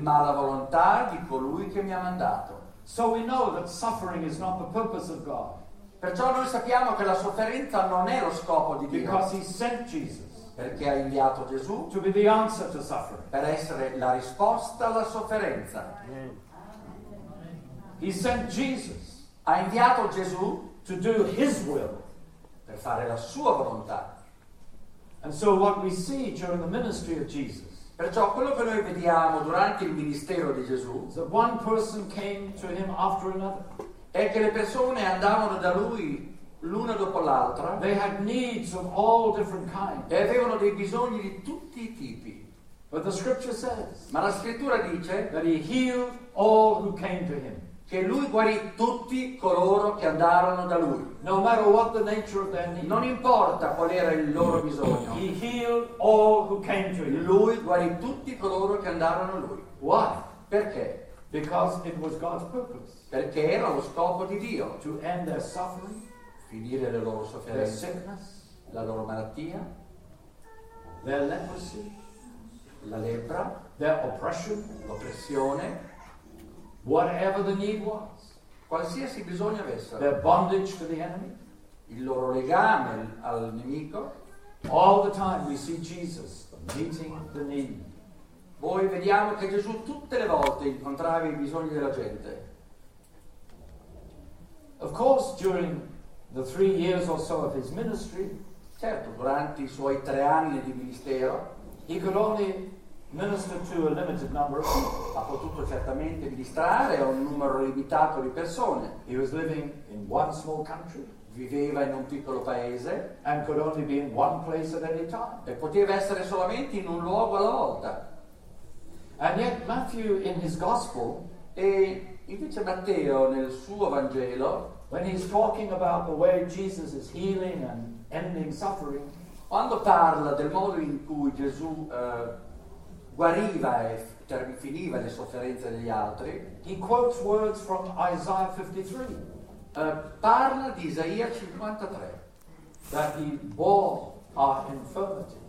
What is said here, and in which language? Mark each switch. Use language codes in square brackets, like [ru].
[it] Ma la volontà di colui che mi ha mandato. [en] So we know that suffering is not the purpose of God. [it] Perciò noi sappiamo che la sofferenza non è lo scopo di Dio. [en] Because he sent Jesus. [it] Perché ha inviato Gesù. [en] To be the answer to suffering. [it] Per essere la risposta alla sofferenza. [en] He sent Jesus. [it] ha inviato Gesù [en] to do his will, [it] per fare la sua volontà. [en] And so what we see during the ministry of Jesus, [it] perciò quello che noi vediamo durante il ministero di Gesù, [en] is that one person came to him after another. [it] È che le persone andavano da lui l'una dopo l'altra. [en] They had needs of all different kinds. [it] E avevano dei bisogni di tutti i tipi. [en] But the scripture says, [it] ma la scrittura dice, [en] that he healed all who came to him, [it] che lui guarì tutti coloro che andarono da lui. [en] No matter what the nature of their need, [it] non importa qual era il loro bisogno. [en] He healed all who came to him. [it] Lui guarì tutti coloro che andarono a lui. [en] Why? [it] Perché? [en] Because it was God's purpose. [it] Perché era lo scopo di Dio. [en] To end their suffering, [it] finire le loro sofferenze, [en] their sickness, [it] la loro malattia, [en] their leprosy, [it] la lepra, [en] their oppression, [it] l'oppressione, [en] whatever the need was, [it] qualsiasi bisogno avessero, [en] their bondage to the enemy, [it] il loro legame al nemico. [en] All the time we see Jesus meeting the need. [it] Voi vediamo che Gesù tutte le volte incontrava i bisogni della gente. [en] Of course, during the 3 years or so of his ministry, [it] certo, durante i suoi 3 anni di ministero, [en] he could only minister to a limited number of people. [it] Ha potuto certamente ministrare a un numero limitato di persone. [en] He was living in one small country. [it] Viveva in un piccolo paese. [en] And could only be in one place at any time. [it] E poteva essere solamente in un luogo alla volta. [en] And yet Matthew in his gospel, [it] e invece Matteo nel suo Vangelo, [en] when he's talking about the way Jesus is healing and ending suffering, [it] quando parla del modo in cui Gesù guariva e finiva le sofferenze degli altri, [en] he quotes words from Isaiah 53. [it] Parla di Isaia 53, [en] that he bore our infirmities,